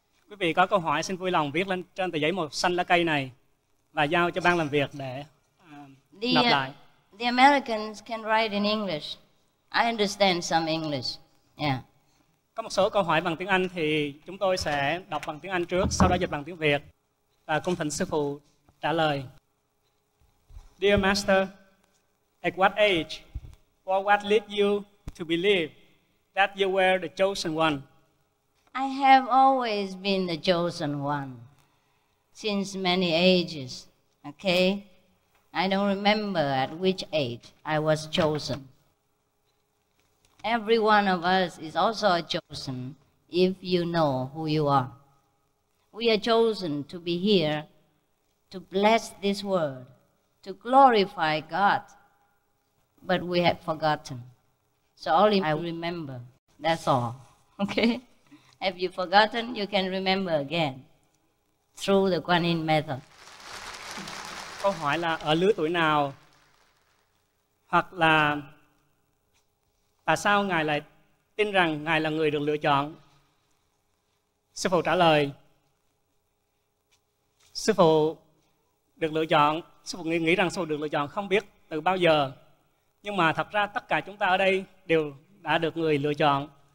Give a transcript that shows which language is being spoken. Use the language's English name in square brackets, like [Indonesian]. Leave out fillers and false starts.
[Vietnamese] Quý vị có câu hỏi xin vui lòng viết lên trên tờ giấy màu xanh lá cây này và giao cho ban làm việc để nộp lại. [English] The Americans can write in English. I understand some English. Yeah. [Vietnamese] Có một số câu hỏi bằng tiếng Anh thì chúng tôi sẽ đọc bằng tiếng Anh trước, sau đó dịch bằng tiếng Việt và cung thỉnh sư phụ trả lời. [English] Dear Master, at what age or what led you to believe that you were the chosen one? I have always been the chosen one since many ages, okay? I don't remember at which age I was chosen. Every one of us is also a chosen if you know who you are. We are chosen to be here, to bless this world, to glorify God, but we have forgotten. So only I remember, that's all, okay? Have you forgotten? You can remember again through the Kuan Yin method. [Vietnamese] Câu hỏi là ở lứa tuổi nào, hoặc là tại sao Ngài lại tin rằng Ngài là người được lựa chọn? Sư phụ trả lời, sư phụ được lựa chọn, sư phụ nghĩ rằng sư phụ được lựa chọn không biết từ bao giờ, nhưng mà thật ra tất cả chúng ta ở đây đều đã được người lựa chọn.